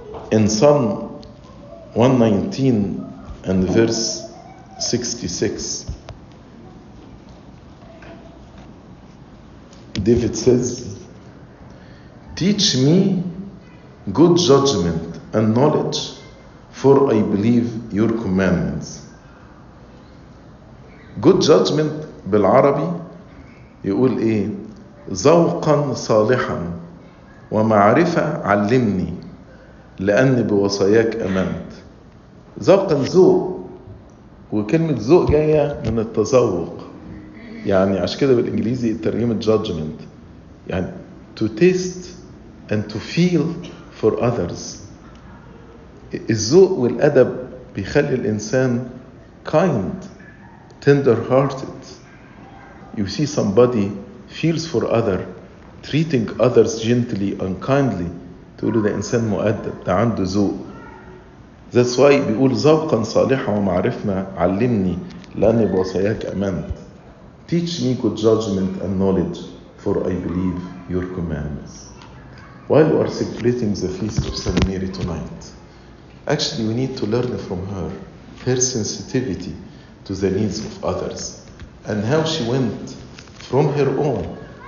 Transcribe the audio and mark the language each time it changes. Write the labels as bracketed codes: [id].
[en] In Psalm 119 and verse 66, David says, teach me good judgment and knowledge, for I believe your commandments. Good judgment, [ar] بالعربي يقول إيه؟ ذوقا صالحا ومعرفة علمني لأن بوصاياك أمنت. ذوقا ذوق، وكلمة ذوق جاية من التذوق، يعني عشان كده بالإنجليزي ترجمة judgment يعني [en] to taste and to feel for others. [ar] الذوق والأدب بيخلي الإنسان [en] kind, tender-hearted. You see somebody feels for other, treating others gently and kindly, [ar] تقول ده إنسان مؤدب، ده عنده ذوق. [en] That's why [ar] بيقول ذوقا صالحا ومعرفنا علمني لأني بوصاياك أمنت. [en] Teach me good judgment and knowledge, for I believe your commandments. While we are celebrating the feast of Saint Mary tonight, actually we need to learn from her, her sensitivity to the needs of others, and how she went from her own.